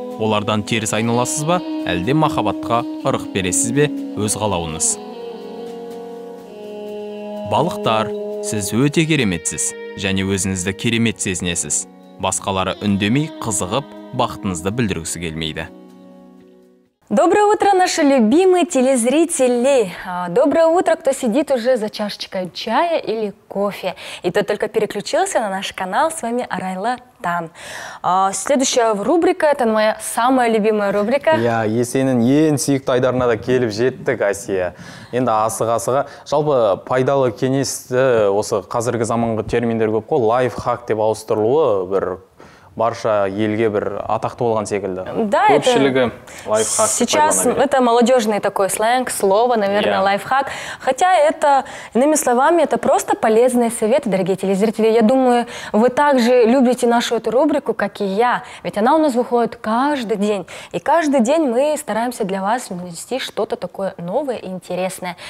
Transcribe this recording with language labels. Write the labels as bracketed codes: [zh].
[kk] Олардан теріс айналасыз ба, әлде махаббатқа ырық бересіз бе, өз қалауыңыз. Балықтар, сіз өте кереметсіз, және өзіңізді керемет сезінесіз. Басқалары үндемей, қызығып, бақытыңызды білдіргісі келмейді. [ru] Доброе утро, наши любимые телезрители! Доброе утро, кто сидит уже за чашечкой чая или кофе. И кто только переключился на наш канал, с вами Арайла Тан. Следующая рубрика, это моя самая любимая рубрика. [kk] Я, Есенин, ен сүйікті айдарына да келіп жеттік, Асия. Енді асыға-асыға, жалпы пайдалы кенесті осы қазіргі заманғы терминдер көп қой, лайфхак деп ауыстырылуы бір барша елге бір атақты болған секілді. [ru] Да, [kk] көпшілігі лайфхак. [ru] Сейчас это молодежный такой сленг, слово, наверное, yeah. Лайфхак. Хотя это, иными словами, это просто полезные советы, дорогие телезрители. Я думаю, вы также любите нашу эту рубрику, как и я. Ведь она у нас выходит каждый день. И каждый день мы стараемся для вас внести что-то такое новое и интересное.